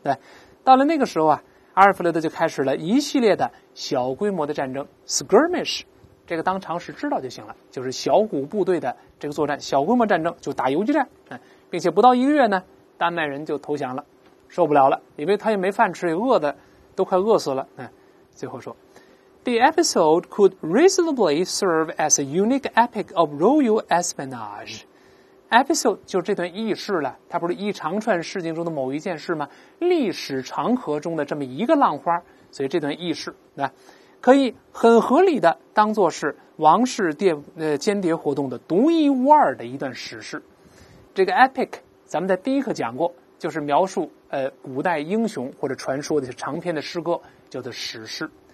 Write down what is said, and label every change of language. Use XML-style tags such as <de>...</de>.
<zh>对，到了那个时候啊，阿尔弗雷德就开始了一系列的小规模的战争 ,skirmish, 这个当常识知道就行了，就是小股部队的这个作战，小规模战争就打游击战，并且不到一个月呢，丹麦人就投降了，受不了了，因为他也没饭吃，也饿的都快饿死了。</zh> <en>最后说 The episode could reasonably serve as a unique epic of royal espionage.</en> <zh>Episode 就这段轶事了，它不是一长串事情中的某一件事吗？历史长河中的这么一个浪花，所以这段轶事可以很合理的当作是王室间谍活动的独一无二的一段史事。这个 epic咱们在第一课讲过，就是描述古代英雄或者传说的长篇的诗歌，叫做史诗。</zh>